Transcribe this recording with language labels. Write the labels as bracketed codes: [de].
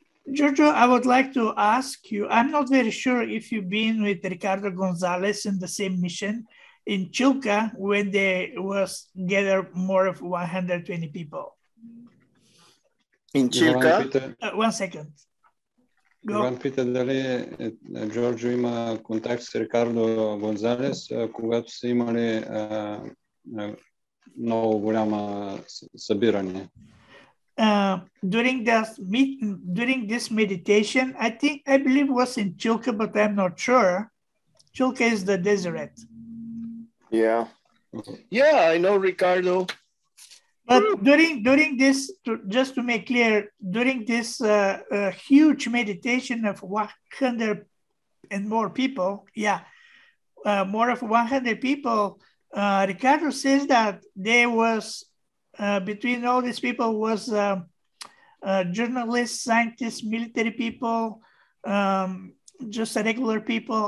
[en] Giorgio, I would like to ask you, I'm not very sure if you've been with Ricardo Gonzalez in the same mission in Chilca when there was gathered more of 120 people. In Chilca? One second. [bg] Ivan pita дали Giorgio има контакт с Ricardo Gonzalez, когато са имали много голямо събиране. [en] During this meditation, I believe it was in Chilca, but I'm not sure. Chilca is the desert. Yeah. Yeah, I know Ricardo. But during this, just to make clear, during this huge meditation of 100 and more people, more of 100 people, Ricardo says that there was between all these people was journalists, scientists, military people, just regular people.